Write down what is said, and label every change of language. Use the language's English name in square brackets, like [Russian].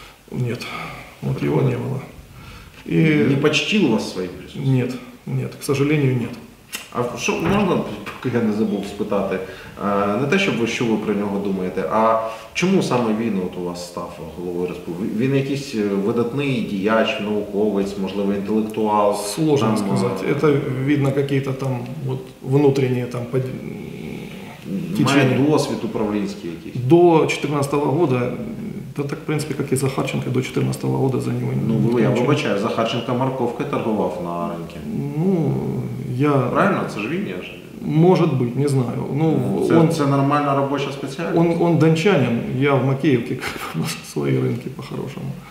[Russian] Нет, вот его не было. И... Не почтил вас своим присутствием? Нет, нет, к сожалению, нет. А что, можно, пока я не забыл спитати, не то, чтобы что вы про него думаете, [Ukrainian] а чому саме він от у вас став головою республіки? Він якийсь видатний діяч, науковець, можливо, інтелектуал? [Russian] Сложно сказать. Это видно какие-то там вот внутренние там [Ukrainian] течения. Має досвід управлінський якийсь? [Russian] До 2014 года. Да так, в принципе, как и Захарченко до 2014 года за него. Ну, я побачаю, Захарченко морковкой торговал на рынке. Ну, я... Правильно? Это же Винья же. Может быть, не знаю. Ну, это нормально рабочая специальность? Он дончанин, я в Макеевке, как на свои рынки по-хорошему.